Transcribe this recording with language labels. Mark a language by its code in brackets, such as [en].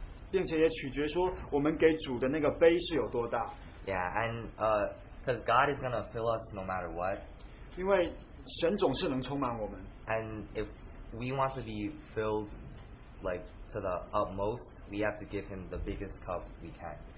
[zh] 并且也取决说我们给主的那个杯是有多大。 [en] Yeah, and because God is gonna fill us no matter what. [zh] 因为神总是能充满我们。 [en] And if we want to be filled like to the utmost, we have to give him the biggest cup we can.